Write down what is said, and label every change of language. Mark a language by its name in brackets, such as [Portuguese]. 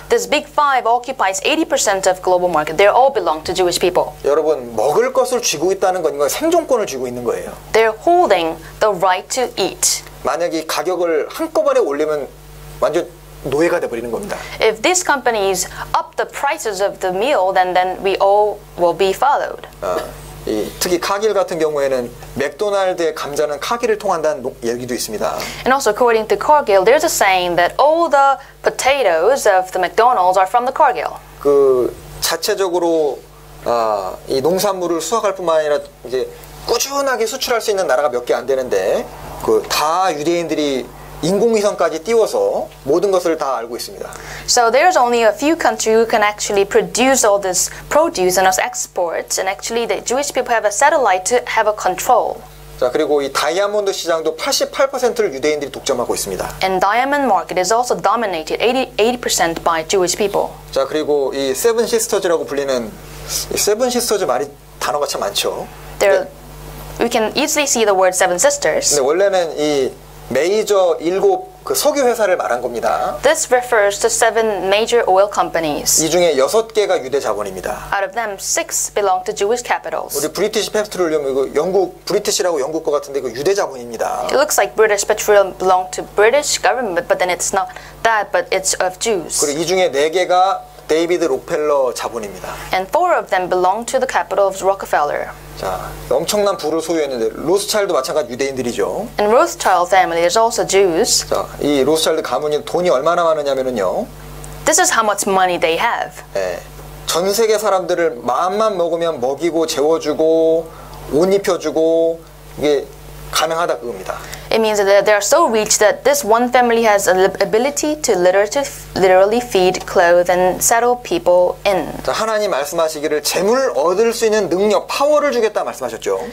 [English] These big five occupies 80% of global market. They all belong to Jewish people. [Korean] 여러분, 먹을 것을 쥐고 있다는 건 이건 생존권을 쥐고 있는 거예요. [English] They're holding the right to eat. [Korean] 만약에 가격을 한꺼번에 올리면 완전 노예가 돼버리는 겁니다. [English] If these companies up the prices of the meal, then we all will be followed. [Korean] 특히 카길 같은 경우에는 맥도날드의 감자는 카길을 통한다는 얘기도 있습니다. [English] And also according to Cargill, there's a saying that all the potatoes of the McDonald's are from the Cargill. [Korean] 그 자체적으로 이 농산물을 수확할 뿐만 아니라 이제 꾸준하게 수출할 수 있는 나라가 몇 개 안 되는데 그 다 유대인들이 인공위성까지 띄워서 모든 것을 다 알고 있습니다. [English] So there's only a few countries who can actually produce all this produce and export, and actually the Jewish people have a satellite to have a control. [Korean] 자, 그리고 이 다이아몬드 시장도 88%를 유대인들이 독점하고 있습니다. [English] And diamond market is also dominated 80% by Jewish people. [Korean] 자, 그리고 이 세븐 시스터즈라고 불리는 이 세븐 시스터즈 말이 단어가 참 많죠. [English] There, we can easily see the word seven sisters. [Korean] 근데 원래는 이 메이저 일곱 그 석유 회사를 말한 겁니다. [English] This refers to seven major oil companies. [Korean] 이 중에 여섯 개가 유대 자본입니다. [English] Out of them, six belong to Jewish capitals. [Korean] 우리 브리티시 페트롤리움 이거 영국 브리티시라고 영국 거 같은데 이거 유대 자본입니다. [English] It looks like British Petroleum belong to British government, but then it's not that, but it's of Jews. [Korean] 그리고 이 중에 네 개가 데이비드 록펠러 자본입니다. [English] And four of them belong to the capital of Rockefeller. [Korean] 자, 엄청난 부를 소유했는데 로스차일드 마찬가지 유대인들이죠. [English] And Rothschild family is also Jews. [Korean] 자, 이 로스차일드 가문이 돈이 얼마나 많으냐면요. [English] This is how much money they have. [Korean] 예, 전 세계 사람들을 마음만 먹으면 먹이고 재워주고 옷 입혀주고 이게 가능하다 그겁니다. [English] It means that they are so rich that this one family has the ability to literally feed, clothe, and settle people in. [Korean] 하나님 말씀하시기를 재물을 얻을 수 있는 능력, 파워를 주겠다 말씀하셨죠.